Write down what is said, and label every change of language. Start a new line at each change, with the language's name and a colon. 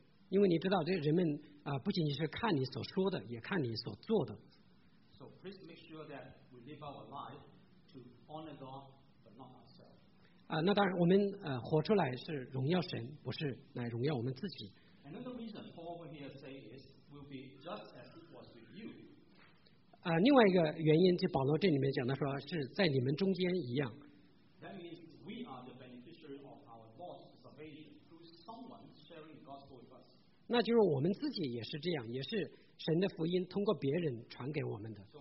Chinese: 因为你知道，这人们啊，不仅仅是看你所说的，也看你所做的。
English: So please make sure that we live our life to honor God, but not ourselves.
Chinese: 啊，那当然，我们活出来是荣耀神，不是来荣耀我们自己。
English: Another reason Paul over here say is we'll be just as it was with you.
Chinese: 啊，另外一个原因，就保罗这里面讲的说，是在你们中间一样。
English: That means we are the beneficiary of our Lord's salvation through someone sharing the gospel with us.
Chinese: 那就是我们自己也是这样，也是神的福音通过别人传给我们的。